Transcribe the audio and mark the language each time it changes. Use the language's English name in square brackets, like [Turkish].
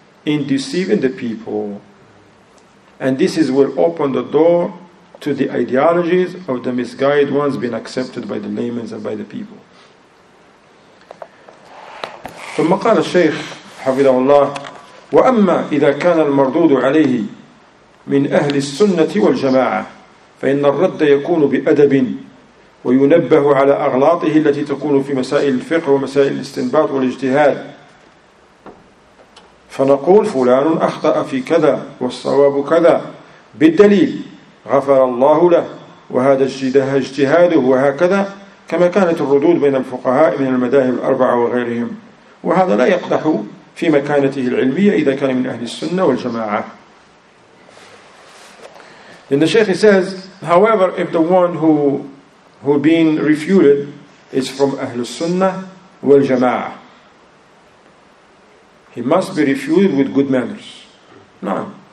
[English] in deceiving the people. And this is what opened the door to the ideologies of the misguided ones being accepted by the laymen and by the people. [Arabic] ثم قال الشيخ حفظه الله وأما إذا كان المردود عليه من أهل السنة والجماعة فإن الرد يكون بأدب وينبه على أغلاطه التي تكون في مسائل الفقه ومسائل الاستنباط والاجتهاد فنقول فلان أخطأ في كذا والصواب كذا بالدليل غفر الله له وهذا اجتهاده وهكذا كما كانت الردود بين الفقهاء من المذاهب الأربعة وغيرهم وهذا لا يقدح في مكانته العلمية إذا كان من أهل السنة والجماعة. [English] Then the Sheikh says, however, if the one who being refuted is from [Arabic] أهل السنة والجماعة, [English] he must be refuted with good manners. [Arabic] نعم.